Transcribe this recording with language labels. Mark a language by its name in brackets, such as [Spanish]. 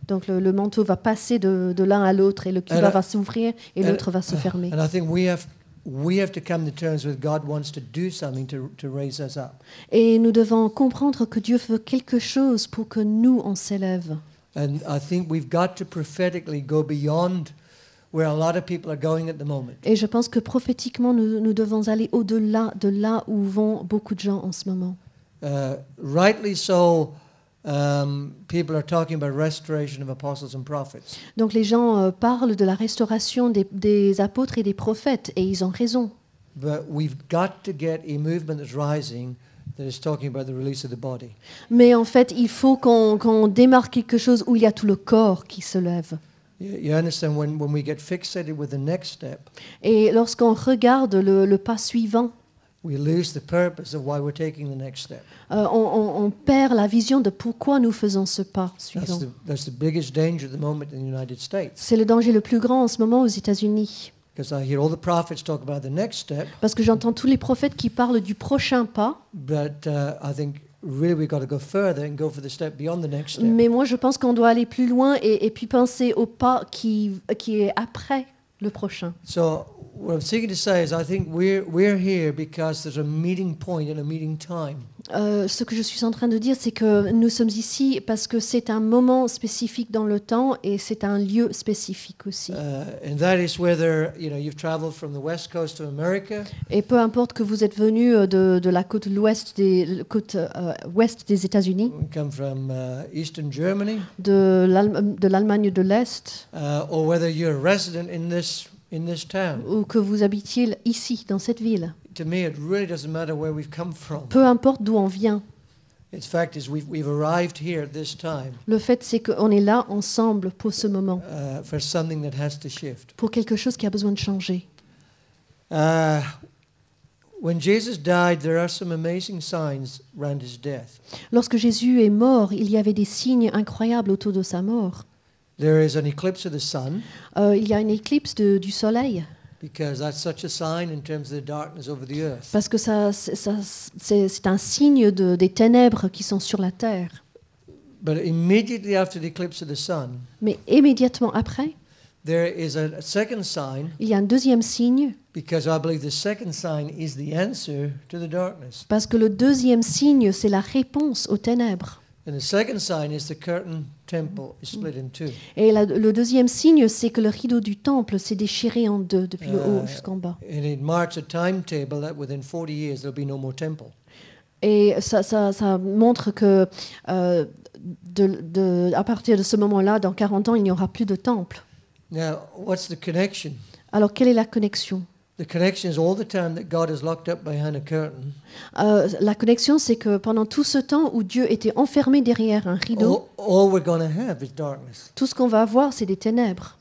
[French] Donc le manteau va passer de l'un à l'autre et le Cuba va s'ouvrir et l'autre va se fermer. [English] And I think we have to come to terms with God wants to do something to raise us up. [French] Et nous devons comprendre que Dieu veut quelque chose pour que nous on s'élève. [English] And I think we've got to prophetically go beyond where a lot of people are going at the moment. [French] Et je pense que prophétiquement nous devons aller au-delà de là où vont beaucoup de gens en ce moment. [English] Rightly so, people are talking about restoration of apostles and prophets. [French] Donc les gens parlent de la restauration des apôtres et des prophètes, et ils ont raison. [English] But we've got to get a movement that's rising that is talking about the release of the body. [French] Mais en fait, il faut qu'on démarque quelque chose où il y a tout le corps qui se lève. [English] You understand when we get fixated with the next step. [French] Et lorsqu'on regarde le pas suivant. [English] We lose the purpose of why we're taking the next step. [French] On perd la vision de pourquoi nous faisons ce pas suivant. [English] That's the biggest danger at the moment in the United States. [French] C'est le danger le plus grand en ce moment aux États-Unis. [English] Because I hear all the prophets talk about the next step. [French] Parce que j'entends tous les prophètes qui parlent du prochain pas. [English] But I think really we've got to go further and go for the step beyond the next step. [French] Mais moi je pense qu'on doit aller plus loin et puis penser au pas qui est après le prochain. [English] So what I'm seeking to say is I think we're here because there's a meeting point and a meeting time. [French] Ce que je suis en train de dire, c'est que nous sommes ici parce que c'est un moment spécifique dans le temps et c'est un lieu spécifique aussi. [English] And that is whether, you know, you've traveled from the west coast of America. [French] Et peu importe que vous êtes venu de la côte ouest des États-Unis. [English] Come from Eastern Germany. [French] De l'Allemagne de l'Est. [English] Or whether you're a resident in this town. [French] Ou que vous habitiez ici dans cette ville. [English] To me, it really doesn't matter where we've come from. [French] Peu importe d'où on vient. [English] In fact, is we've arrived here at this time. [French] Le fait c'est qu'on est là ensemble pour ce moment. [English] For something that has to shift. [French] Pour quelque chose qui a besoin de changer. [English] When Jesus died, there are some amazing signs around his death. [French] Lorsque Jésus est mort, il y avait des signes incroyables autour de sa mort. [English] There is an eclipse of the sun. [French] Il y a une éclipse du soleil. [English] Because that's such a sign in terms of the darkness over the earth. [French] Parce que c'est un signe des ténèbres qui sont sur la terre. [English] But immediately after the eclipse of the sun. [French] Mais immédiatement après. [English] There is a second sign. [French] Il y a un deuxième signe. [English] Because I believe the second sign is the answer to the darkness. [French] Parce que le deuxième signe c'est la réponse aux ténèbres. [English] And the second sign is the curtain temple is split in two. [French] Et le deuxième signe, c'est que le rideau du temple s'est déchiré en deux, depuis le haut jusqu'en bas. [English] And it marks a timetable that within 40 years there'll be no more temple. [French] Et ça montre que à partir de ce moment-là, dans 40 ans, il n'y aura plus de temple. [English] Now, what's the connection? [French] Alors, quelle est la connexion? [English] The connection is all the time that God is locked up behind a curtain. [French] La connexion, c'est que pendant tout ce temps où Dieu était enfermé derrière un rideau, [English] all we're going to have is darkness. [French] Tout ce qu'on va avoir, c'est des ténèbres.